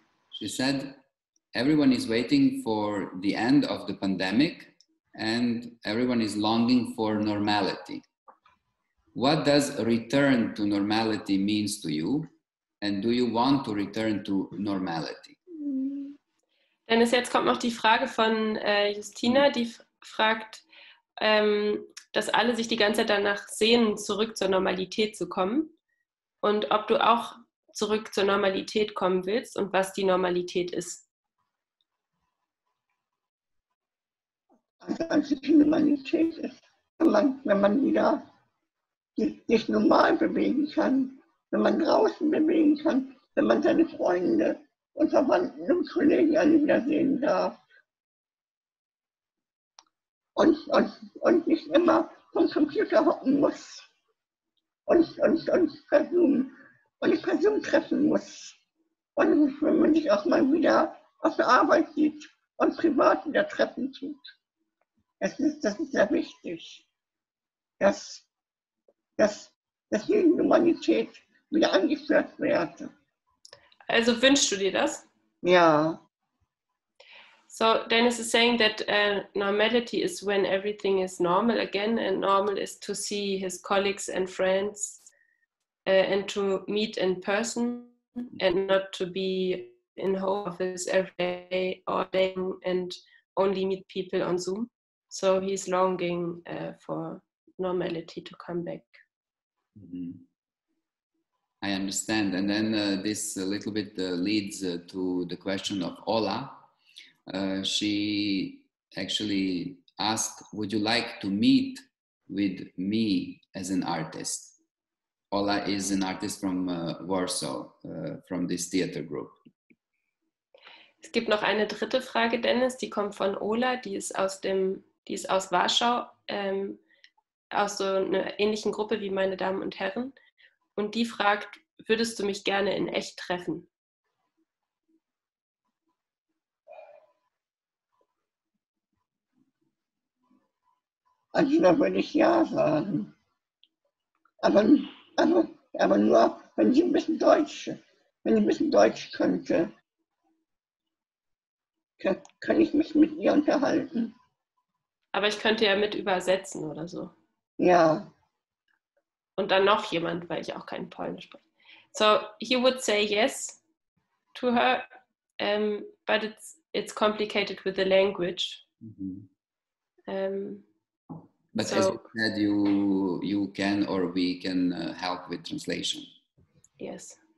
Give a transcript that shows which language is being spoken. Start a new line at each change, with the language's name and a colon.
English: She said, everyone is waiting for the end of the pandemic and everyone is longing for normality. What does return to normality means to you? And do you want to return to normality?
German: Dennis, jetzt kommt noch die Frage von Justina, die fragt, dass alle sich die ganze Zeit danach sehnen, zurück zur Normalität zu kommen. Und ob du auch zurück zur Normalität kommen willst und was die Normalität ist. Also die Normalität ist, wenn man wieder sich normal bewegen kann, wenn man draußen bewegen kann, wenn man seine Freunde und Verwandten und Kollegen alle wieder sehen darf. Und nicht immer vom Computer hocken muss. Und Person treffen muss. Und wenn man sich auch mal wieder auf der Arbeit sieht und privat wieder treffen tut. Das ist sehr wichtig, dass die Humanität wieder angeführt wird. Also wünschst du dir das? Ja.
English: So Dennis is saying that normality is when everything is normal again, and normal is to see his colleagues and friends and to meet in person and not to be in home office every day or day and only meet people on Zoom. So he's longing for normality to come back. Mm-hmm. I understand. And then this a little bit leads to the question of Ola. She actually asked, would you like to meet with me as an artist? Ola is an artist from Warsaw, from this theater group.
German: Es gibt noch eine dritte Frage, Dennis. Die kommt von Ola. Die ist aus Warschau, aus so einer ähnlichen Gruppe wie meine Damen und Herren. Und die fragt, würdest du mich gerne in echt treffen? Also da würde ich ja sagen. Aber nur, wenn ich ein bisschen Deutsch könnte, kann ich mich mit ihr unterhalten. Aber ich könnte ja mit übersetzen oder so. Ja. Und dann noch jemand, weil ich auch kein Polnisch spreche.
English: So, he would say yes to her, but it's complicated with the language. Mm-hmm. But so, as you said, you can or we can help with translation. Yes.